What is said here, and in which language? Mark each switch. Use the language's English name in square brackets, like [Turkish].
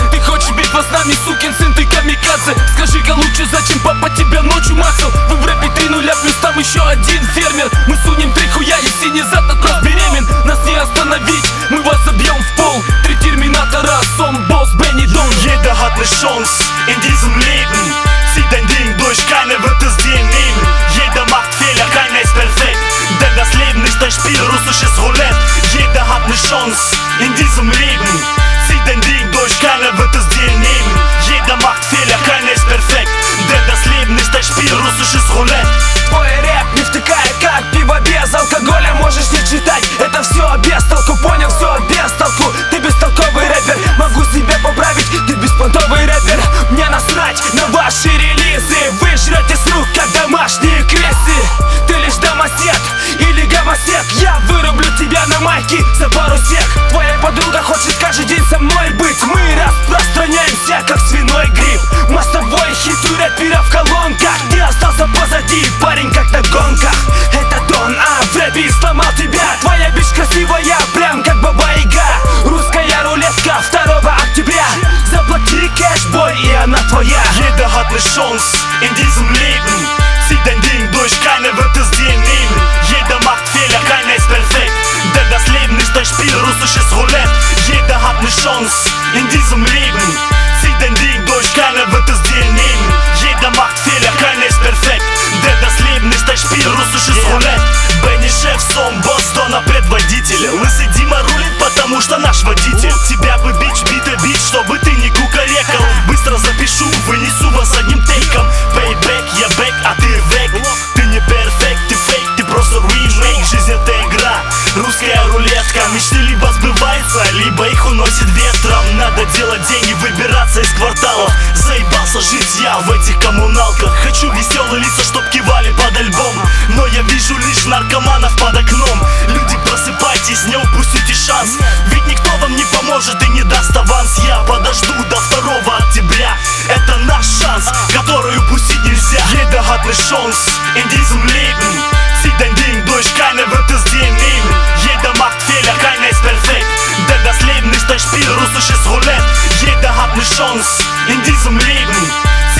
[Russian] Ты хочешь битва с нами, сукин сын, ты камикадзе. Скажи-ка лучше, зачем папа тебя ночью мацал. Вы в рэпе 3-0, плюс там еще один фермер. Мы сунем три хуя и синий зад, от нас беремен. Нас не остановить, мы вас забьем в пол. Три терминатора, сон босс, Бенни Дон. [German] Jeder hat ne Chance in diesem Leben. Zieh dein Ding durch, keiner wird es dir nehmen. Jeder macht Fehler, keiner ist perfekt. Denn das Leben ist ein Spiel, russisches Roulette. Jeder hat ne Chance in diesem Leben. Zieh dein Ding durch, keiner wird es dir nehmen. Jeder macht Fehler, keiner ist perfekt. Denn das Leben ist ein Spiel, russisches Roulette. [Russian] Твой рэп не втыкает, как пиво без алкоголя. Можешь не читать, это все без толку. Понял, все без толку. Ты бестолковый рэпер, могу себя поправить. Ты беспонтовый рэпер. Мне насрать на ваши релизы. Вы жрете с рук, как домашние крысы. Ты лишь домосед или гомосек. Я вырублю тебя на майке за пару сек. Твоя подруга хочет каждый день со мной быть. Мы распространяемся, как свиной гриб. Мостовой хит у рэпера в колонках. Ты остался позади, парень, как на гонках. Это Дон, а в рэпе сломал тебя. Твоя бич красивая, прям как Баба-Яга. Русская рулетка 2 октября. Заплати кэш, бой, и она твоя. [German] Jeder hat ne Chance in diesem Leben. Zieh dein Ding durch, keiner wird es dir nehmen. Jeder macht Fehler, keiner ist perfekt. Denn das Leben ist ein Spiel, russisches Roulette. Jeder hat ne Chance in diesem Leben. Zieh dein Ding durch, keiner wird es dir nehmen. Jeder macht Fehler, keiner ist perfekt. Denn das Leben ist ein Spiel, russisches Roulette. [Russian] Бенни Шеф, сон, босс, Дона, предводитель. Лысый Дима рулит, потому что наш водитель. Тебя бы бич, бита бич, чтобы ты не кукарекал. Быстро запишу, вынесу вас одним тейком. [English] Payback, [Russian] я [English] back, [Russian] а ты [English] back. [Russian] Ты не [English] perfect, [Russian] ты [English] fake, [Russian] ты просто [English] remake. [Russian] Жизнь это игра, русская рулетка. Мечты либо сбываются, либо их уносит ветром. Надо делать деньги, выбираться из кварталов. Заебался жить я в этих коммуналках. Хочу веселые лица, чтоб кивали под альбом. Но я вижу лишь наркоманов под окном. Люди, просыпайтесь, не упустите шанс. Ведь никто вам не поможет и не даст аванс. Я подожду до 2 октября. Это наш шанс, который упустить нельзя. [German] Jeder hat ne Chance in diesem Leben. Zieh dein Ding durch, keiner wird es dir nehmen. Jeder macht Fehler, keiner ist perfekt. Denn das Leben ist ein Spiel, russisches Roulette. Jeder hat ne Chance in diesem Leben.